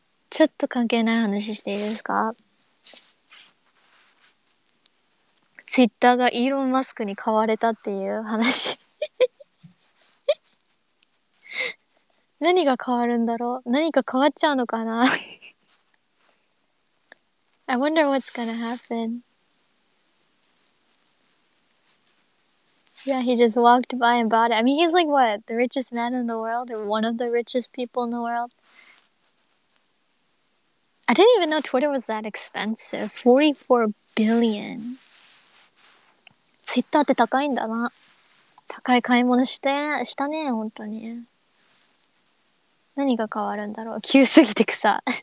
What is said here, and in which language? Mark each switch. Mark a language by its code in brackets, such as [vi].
[ja] ちょっと関係ない話していいですか? ツイッターがイーロン・マスクに買われたっていう話。何が変わるんだろう?何か変わっちゃうのかな? [en] I wonder what's gonna happen. Yeah, he just walked by and bought it. I mean, he's like what? The richest man in the world? Or one of the richest people in the world? I didn't even know Twitter was that expensive. 44 billion. [ja] Twitter って高いんだな。高い買い物したね、本当に。何が変わるんだろう。急すぎて草。